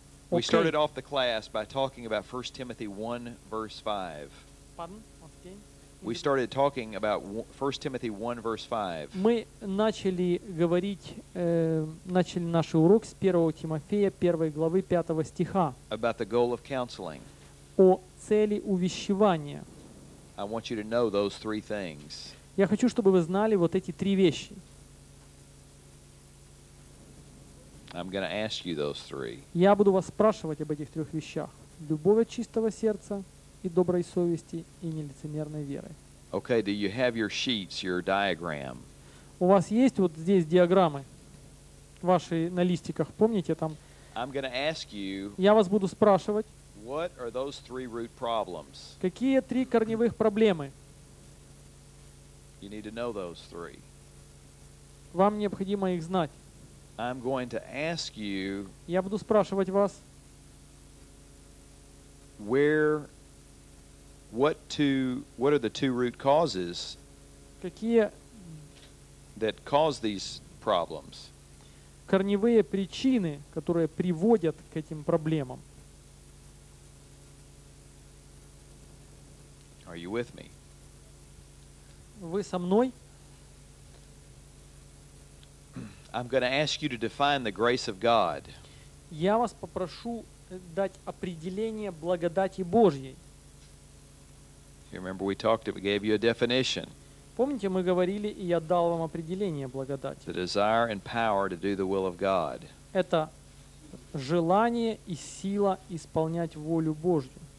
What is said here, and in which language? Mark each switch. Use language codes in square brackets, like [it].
[en] We started off the class by talking about 1 Timothy 1 verse 5. Pardon? Once again. We started talking about 1 Timothy 1 verse 5. [ru] Мы начали говорить, начали наш урок с 1 Тимофея 1 главы 5 стиха. [en] About the goal of counseling. [ru] О цели увещевания. [en] I want you to know those three things. [ru] Я хочу, чтобы вы знали вот эти три вещи. [en] I'm going to ask you those three. [ru] Я буду вас спрашивать об этих трех вещах: любовь от чистого сердца и доброй совести и нелицемерной веры. [en] Okay, do you have your sheets, your diagram? [ru] У вас есть вот здесь диаграммы ваши на листиках, помните там? [en] I'm going to ask you. [ru] Я вас буду спрашивать. [en] What are those three root problems? [ru] Какие три корневых проблемы? [en] You need to know those three. [ru] Вам необходимо их знать. [en] I'm going to ask you. [ru] Я буду спрашивать вас. [en] Where? What are the two root causes? [ru] Какие? [en] That cause these problems. [ru] Корневые причины, которые приводят к этим проблемам. [en] Are you with me? [ru] Вы со мной? [en] I'm going to ask you to define the grace of God. [ru] Я вас попрошу дать определение благодати Божьей. [en] You remember we talked, we gave you a definition. [ru] Помните, мы говорили, и я дал вам определение благодати. [en] The desire and power to do the will of God. [ru] Это желание и сила исполнять волю Божью.